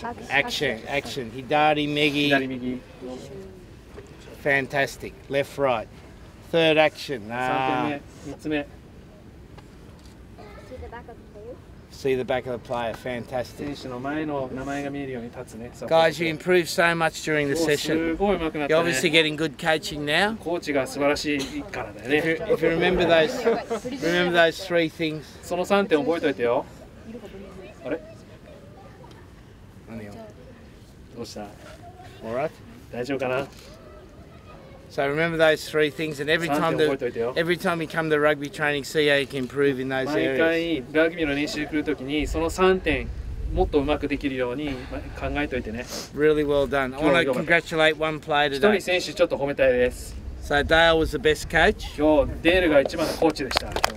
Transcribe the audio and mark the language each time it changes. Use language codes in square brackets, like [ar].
[en] Action. [ja] 左右。 [en] Fantastic. Left, right. Third action. [ja] 3つ目。 [en] See the back of the player, fantastic. [ja] 選手の前の名前が見えるように立つね。 [en] Guys, you improved so much during the session. [ja] すごい上手くなったね。 [en] You're obviously getting good coaching now. [ja] コーチが素晴らしいからだよね。 [en] If you remember those three things. [ja] その3点覚えといてよ。あれ？何よ？どうした？ [en] All right? [ja] 大丈夫かな？ [en] So remember those three things, and every time you come to rugby training, see how you can improve in those areas. [ja] 毎回ラグビーの練習来るときに、その3点もっと上手くできるように考えておいてね。 [en] Really well done. I want to congratulate one player today. [ja] 一人選手ちょっと褒めたいです。 [en] So Dale was the best coach. [ja] 今日デールが一番のコーチでした。